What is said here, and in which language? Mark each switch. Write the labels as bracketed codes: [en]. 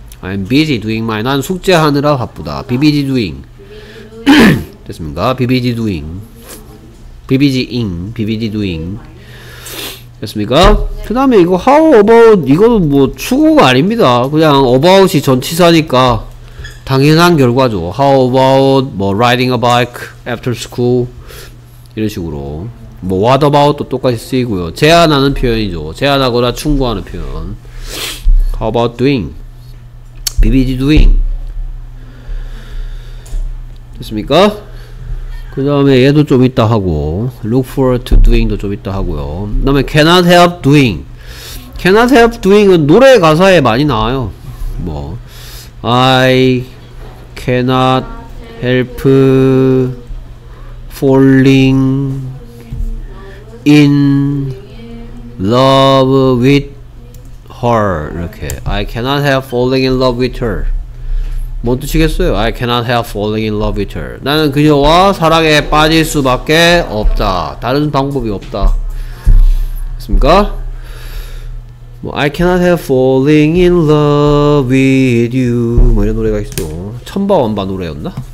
[en] I'm busy doing my... [ko] 난 숙제하느라 바쁘다. [en] Be busy doing. Be busy doing. [ko] 됐습니까? [en] Be busy doing. Be busy ing. Be busy doing. 됐습니까? [ko] 네. 그 다음에 이거 [en] how about... [ko] 이거는 뭐 추구가 아닙니다. 그냥 about이 전치사니까 당연한 결과죠. [en] How about 뭐 riding a bike after school [ko] 이런 식으로. 뭐 [en] what about [ko] 도 똑같이 쓰이고요. 제안하는 표현이죠. 제안하거나 충고하는 표현. [en] How about doing? Be busy doing. [ko] 됐습니까? 그 다음에 얘도 좀 있다 하고 [en] look forward to doing [ko] 도 좀 있다 하고요. 그 다음에 [en] cannot help doing. [ko] cannot help doing은 노래 가사에 많이 나와요. [en] 뭐 I cannot help falling in love with her. [ko] 이렇게 [en] I cannot help falling in love with her. [ko] 뭔 뜻이겠어요? [en] I cannot help falling in love with her. [ko] 나는 그녀와 사랑에 빠질 수밖에 없다. 다른 방법이 없다. 됐습니까? [en] 뭐 I cannot help falling in love with you 뭐 [ko] 이런 노래가 있어. 천바완바 노래였나?